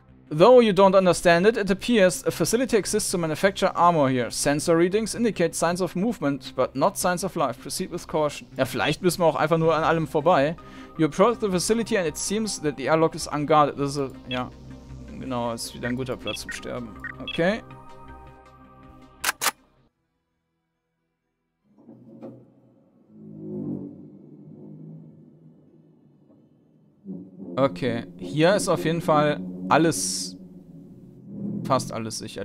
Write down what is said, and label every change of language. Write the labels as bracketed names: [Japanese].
[English] Though you don't understand it, it appears a facility exists to manufacture armor here. Sensor readings indicate signs of movement, but not signs of life. Proceed with caution. [German] Ja, vielleicht müssen wir auch einfach nur an allem vorbei. [English] You approach the facility and it seems that the airlock is unguarded. [German] Das ist, ja, genau, ist wieder ein guter Platz zum Sterben. Okay. Okay, hier ist auf jeden Fall alles, fast alles sicher.